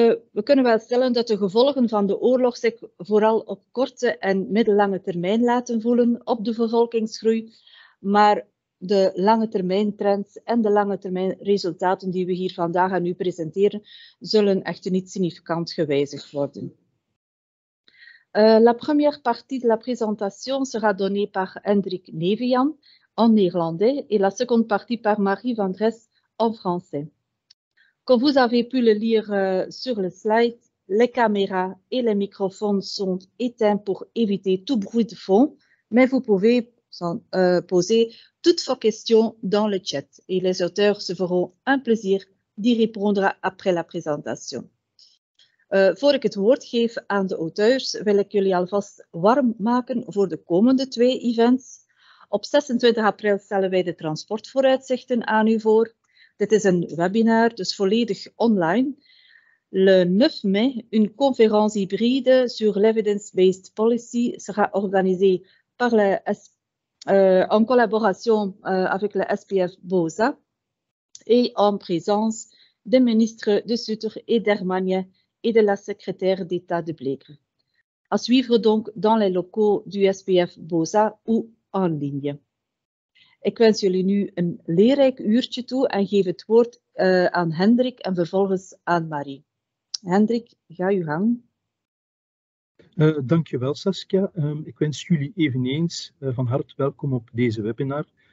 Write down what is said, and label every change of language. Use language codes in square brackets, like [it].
[nl] We kunnen wel stellen dat de gevolgen van de oorlog zich vooral op korte en middellange termijn laten voelen op de bevolkingsgroei, maar de lange termijn trends en de lange termijn resultaten die we hier vandaag aan u presenteren, zullen echter niet significant gewijzigd worden. [fr] La première partie de la présentation sera donnée par Hendrik Nevian en néerlandais et la seconde partie par Marie Vendresse en français. Comme vous avez pu le lire sur le slide, les caméras et les microphones sont éteints pour éviter tout bruit de fond, mais vous pouvez poser toutes vos questions dans le chat et les auteurs se feront un plaisir d'y répondre après la présentation. [nl] Voor ik het woord geef aan de auteurs, wil ik jullie alvast warm maken voor de komende twee events. Op 26 april stellen wij de transportvooruitzichten aan u voor. Dit is een webinar, dus volledig online. [fr] Le 9 mai, une conférence hybride sur l'evidence-based policy sera organisée par la en collaboration avec le SPF BOSA et en présence des ministres de Sutter et d'Hermagne et de la secrétaire d'État de Blégre. À suivre donc dans les locaux du SPF BOSA ou en ligne. [nl] Ik wens jullie nu een leerrijk uurtje toe en geef het woord aan Hendrik en vervolgens aan Marie. Hendrik, ga uw gang. Dankjewel Saskia. Ik wens jullie eveneens van harte welkom op deze webinar.